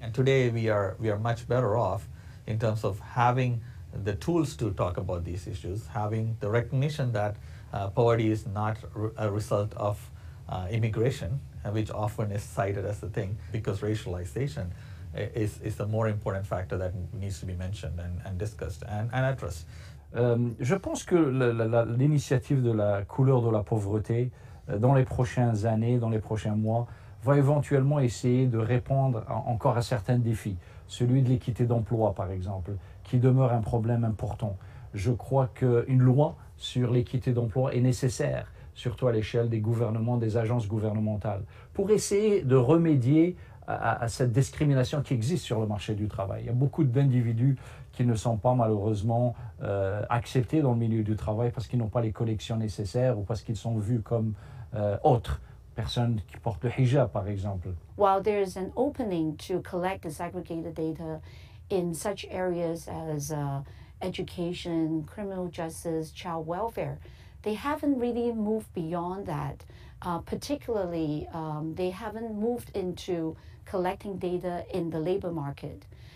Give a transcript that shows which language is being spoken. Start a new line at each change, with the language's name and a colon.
English: And today we are much better off in terms of having the tools to talk about these issues, having the recognition that poverty is not a result of immigration, which often is cited as the thing, because racialization is a more important factor that needs to be mentioned and discussed and addressed.
French: Je pense que l'initiative de la couleur de la pauvreté, dans les prochaines années, dans les prochains mois, va éventuellement essayer de répondre encore à certains défis. Celui de l'équité d'emploi, par exemple, qui demeure un problème important. Je crois qu'une loi sur l'équité d'emploi est nécessaire, surtout à l'échelle des gouvernements, des agences gouvernementales, pour essayer de remédier à cette discrimination qui existe sur le marché du travail. Il y a beaucoup d'individus qui ne sont pas malheureusement acceptés dans le milieu du travail parce qu'ils n'ont pas les connexions nécessaires ou parce qu'ils sont vus comme autres. Personnes qui portent le hijab, par exemple.
English: While there is an opening to collect disaggregated data in such areas as education, criminal justice, child welfare, they haven't really moved beyond that. Particularly, they haven't moved into collecting data in the labor market.